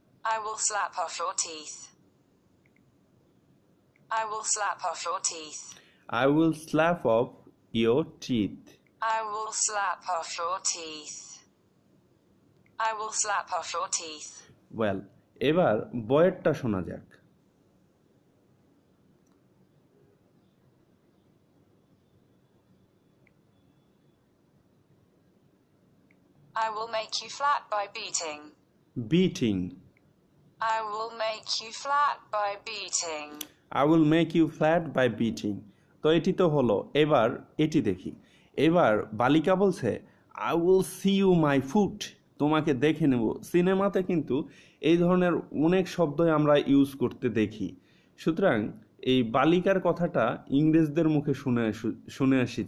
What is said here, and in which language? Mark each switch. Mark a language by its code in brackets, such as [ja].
[en] I will slap off your teeth, I will slap off your teeth. I will slap off your teeth. I will slap off your teeth. I will slap off your teeth. [bn] Well, এবার বয়েরটা শোনা যাক। [en] I will make you flat by beating. Beating. I will make you flat by beating. I will make you flat by beating. [bn] তো এটি তো হলো। এবার এটি দেখি, এবার বালিকা বলছে [en] I will see you my foot, [bn] তোমাকে দেখে নেব। সিনেমাতে কিন্তু এই ধরনের অনেক শব্দই আমরা ইউজ করতে দেখি, সুতরাং এই বালিকার কথাটা ইংরেজদের মুখে শুনে আসি।